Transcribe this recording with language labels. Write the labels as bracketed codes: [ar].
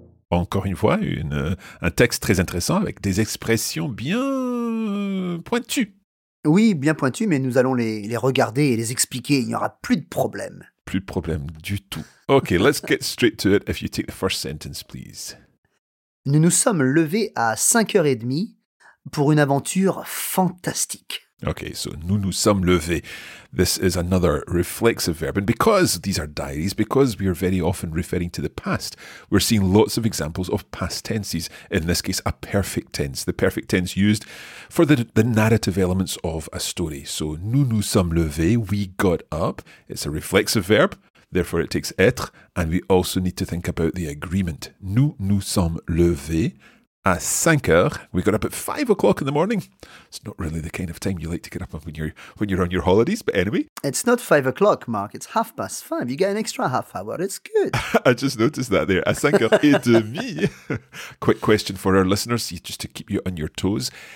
[fr] Encore une fois, un texte très intéressant avec des expressions bien pointues. Oui, bien pointues, mais nous allons les regarder et les expliquer. Il n'y aura plus de problème. Plus de problème du tout. [en] Ok, let's get straight to it if you take the first sentence, please. [fr] Nous nous sommes levés à 5h30 pour une aventure fantastique. [en] Ok, so [fr] nous nous sommes levés. [en] This is another reflexive verb. And because these are diaries, because we are very often referring to the past, we're seeing lots of examples of past tenses. In this case, a perfect tense. The perfect tense used for the narrative elements of a story. So [fr] nous nous sommes levés, [en] we got up. It's a reflexive verb. therefore it takes être, and we also need to think about the agreement. [fr] Nous nous sommes levés à 5 heures. [en] We got up at 5 o'clock in the morning. It's not really the kind of time you like to get up when you're on your holidays, but anyway. It's not 5 o'clock, Mark. It's 5:30. You get an extra half hour. It's good. I just noticed that there. [fr] À 5 heures et demie. [en] Quick question for our listeners, just to keep you on your toes.